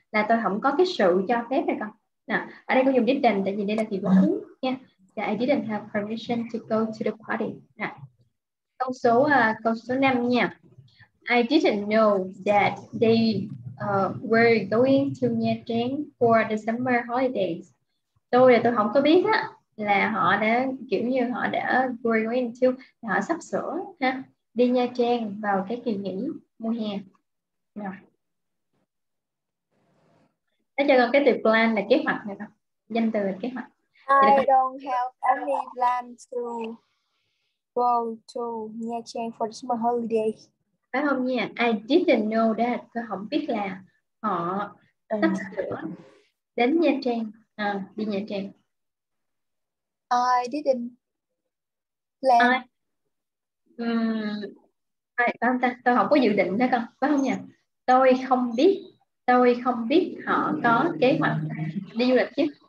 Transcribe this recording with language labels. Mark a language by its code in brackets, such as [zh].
[vi] Là tôi không có cái sự cho phép này con. Nào, ở đây con dùng didn't, tại vì đây là từ quá khứ nha. [en] Yeah, I didn't have permission to go to the party. [vi] Nào, câu số 5 nha. [en] I didn't know that they were going to Nha Trang for the summer holidays. [vi] Tôi không có biết á là họ đã [en] were going to, [vi] là họ sắp sửa ha đi Nha Trang vào cái kỳ nghỉ mùa hè. Nào. Nó cho con cái từ plan là kế hoạch này con. Danh từ là kế hoạch. [en] I don't have any plan to go to Nha Trang for the summer holiday. [vi] Phải không nha? [en] I didn't know that. [vi] Tôi không biết là họ sắp sửa đến Nha Trang. Đi Nha Trang. [en] I didn't plan. [vi] Tôi không có dự định đó con. Phải không nha? Tôi không biết họ có kế hoạch đi du lịch chứ.